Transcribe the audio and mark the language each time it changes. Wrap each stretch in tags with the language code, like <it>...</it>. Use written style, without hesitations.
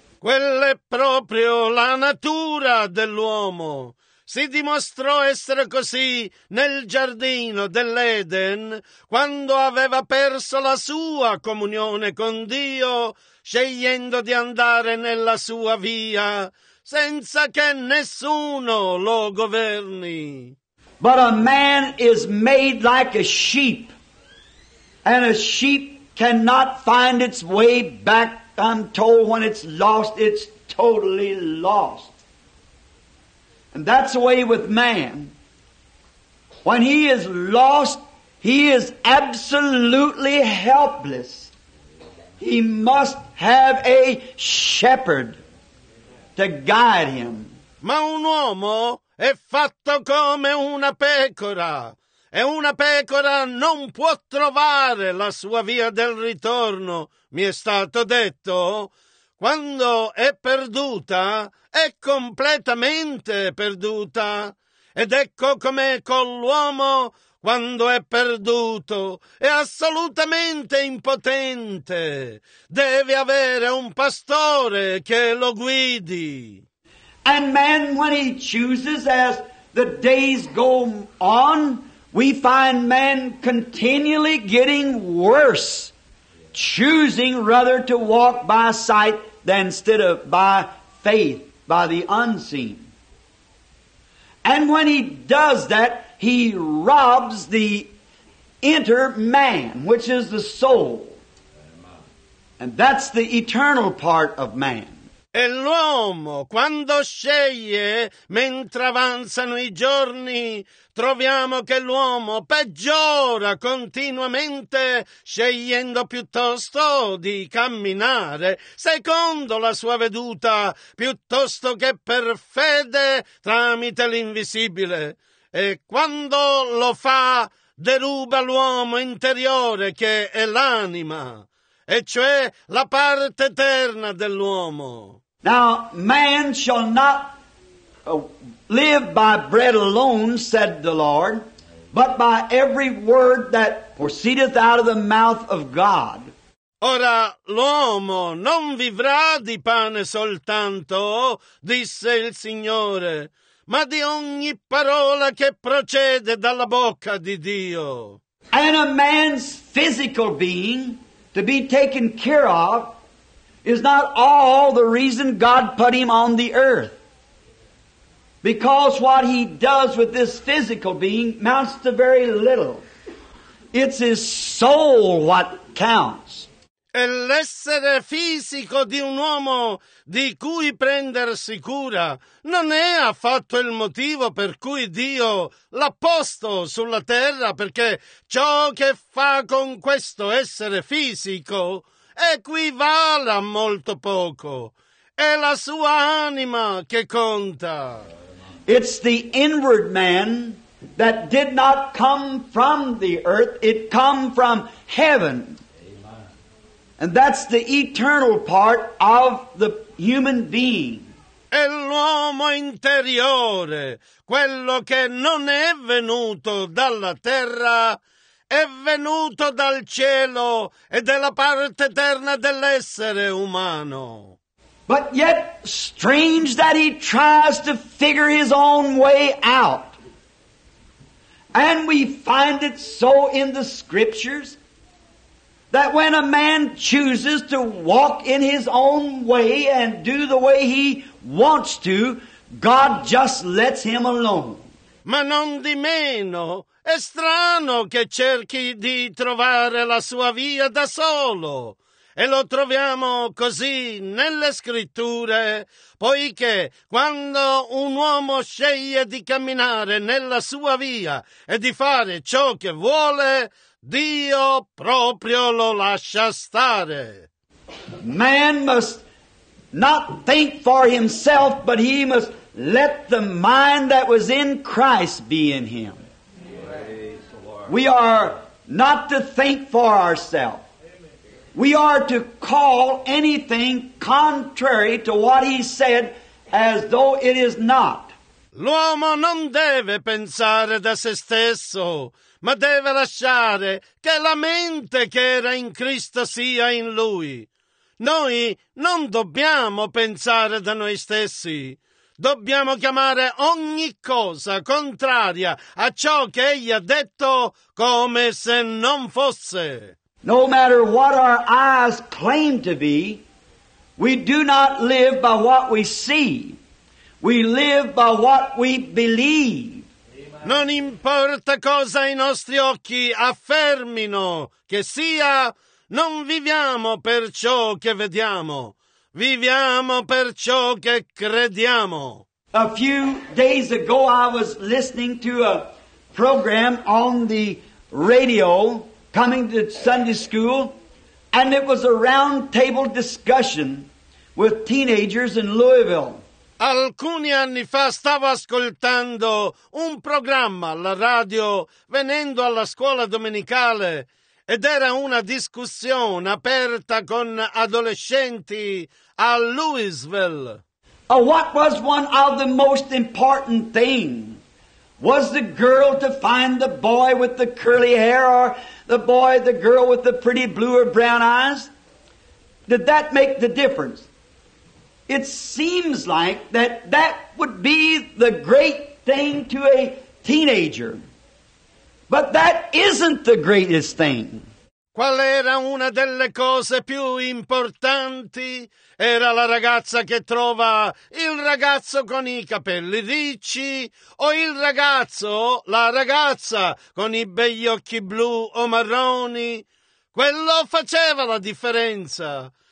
<it>Quella è proprio la natura dell'uomo. Si dimostrò essere così nel giardino dell'Eden, quando aveva perso la sua comunione con Dio, scegliendo di andare nella sua via, senza che nessuno lo governi.</it> <en>But a man is made like a sheep, and a sheep cannot find its way back, I'm told, when it's lost, it's totally lost. And that's the way with man. When he is lost, he is absolutely helpless. He must have a shepherd to guide him.</en> <it>Ma un uomo è fatto come una pecora, e una pecora non può trovare la sua via del ritorno, mi è stato detto. Quando è perduta, è completamente perduta. Ed ecco com'è con l'uomo quando è perduto. È assolutamente impotente. Deve avere un pastore che lo guidi.</it> <en>And man, when he chooses, as the days go on, we find man continually getting worse, choosing rather to walk by sight than instead of by faith, by the unseen. And when he does that, he robs the inner man, which is the soul. And that's the eternal part of man.</en> <it>E l'uomo, quando sceglie, mentre avanzano i giorni, troviamo che l'uomo peggiora continuamente, scegliendo piuttosto di camminare secondo la sua veduta, piuttosto che per fede tramite l'invisibile. E quando lo fa, deruba l'uomo interiore, che è l'anima, e cioè la parte eterna dell'uomo.</it> <en>Now, man shall not live by bread alone, said the Lord, but by every word that proceedeth out of the mouth of God.</en> <it>Ora, l'uomo non vivrà di pane soltanto, disse il Signore, ma di ogni parola che procede dalla bocca di Dio.</it> <en>And a man's physical being to be taken care of is not all the reason God put him on the earth. Because what he does with this physical being amounts to very little. It's his soul what counts.</en> <it>E l'essere fisico di un uomo di cui prendersi cura non è affatto il motivo per cui Dio l'ha posto sulla terra, perché ciò che fa con questo essere fisico equivale a molto poco. È la sua anima che conta.</it> <en>It's the inward man that did not come from the earth, it come from heaven. And that's the eternal part of the human being.</en> <it>È l'uomo interiore, quello che non è venuto dalla terra, è venuto dal cielo e della parte eterna dell'essere umano.</it> <en>But yet, strange that he tries to figure his own way out. And we find it so in the scriptures, that when a man chooses to walk in his own way and do the way he wants to, God just lets him alone.</en> <it>Ma non di meno, è strano che cerchi di trovare la sua via da solo. E lo troviamo così nelle scritture, poiché quando un uomo sceglie di camminare nella sua via e di fare ciò che vuole, Dio proprio lo lascia stare.</it> <en>Man must not think for himself, but he must let the mind that was in Christ be in him. We are not to think for ourselves. We are to call anything contrary to what he said as though it is not.</en> <it>L'uomo non deve pensare da se stesso, ma deve lasciare che la mente che era in Cristo sia in lui. Noi non dobbiamo pensare da noi stessi. Dobbiamo chiamare ogni cosa contraria a ciò che egli ha detto come se non fosse.</it> <en>No matter what our eyes claim to be, we do not live by what we see. We live by what we believe.</en> <it>Non importa cosa i nostri occhi affermino che sia, non viviamo per ciò che vediamo, viviamo per ciò che crediamo.</it> <en>A few days ago I was listening to a program on the radio coming to Sunday school, and it was a round table discussion with teenagers in Louisville.</en> <it>Alcuni anni fa stavo ascoltando un programma alla radio venendo alla scuola domenicale ed era una discussione aperta con adolescenti a Louisville.</it> <en>What was one of the most important things? Was the girl to find the boy with the curly hair, or the boy, the girl with the pretty blue or brown eyes? Did that make the difference? It seems like that would be the great thing to a teenager. But that isn't the greatest thing.</en> <it>Qual era una delle cose più importanti? Era la ragazza che trova il ragazzo con i capelli ricci, o il ragazzo, la ragazza con i begli occhi blu o marroni? Quello faceva la differenza.</it>